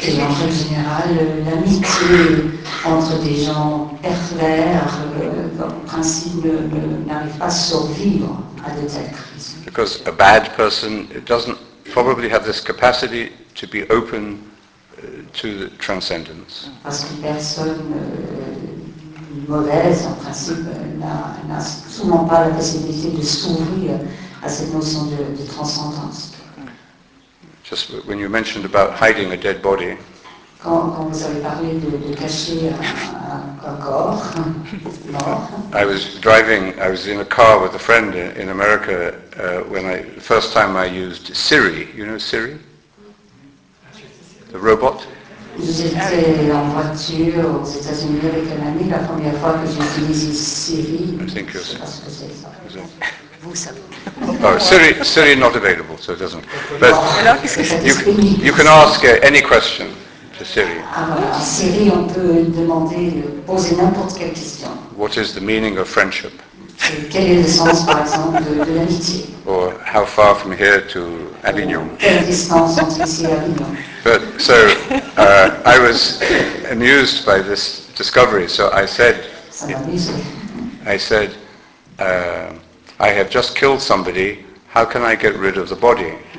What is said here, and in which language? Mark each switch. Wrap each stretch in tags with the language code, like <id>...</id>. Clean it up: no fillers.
<fr>Et en fait, général, l'amitié entre des gens pervers en principe ne n'arrive pas à survivre à de telles crises.</fr> <en>Because a bad person doesn't probably have this capacity to be open to the transcendence.</en> <fr>Parce qu'une personne mauvaise, en principe, n'a souvent pas la possibilité de s'ouvrir à cette notion de transcendance.</fr> <en>Just when you mentioned about hiding a dead body.</en> <fr>Quand vous avez parlé de cacher un corps mort.</fr> <en>I was in a car with a friend in America when I, the first time I used Siri. You know Siri? The robot?</en> <fr>J'étais en voiture aux États-Unis avec un ami la première fois que j'utilisais Siri.</fr> <en>I think you're saying. Oh, Siri not available, so it doesn't. But you can ask any question. The Syrian.</en> <fr>Ah, voilà. En Syrie, on peut demander, poser n'importe quelle question.</fr> <en>What is the meaning of friendship?</en> <fr>Quel est le sens, par exemple, de l'amitié?</fr> <en>Or how far from here to Avignon?</en> <fr>Quelle distance entre ici et Avignon?</fr> <en>But so I was amused by this discovery. So I said, I have just killed somebody. How can I get rid of the body?</en>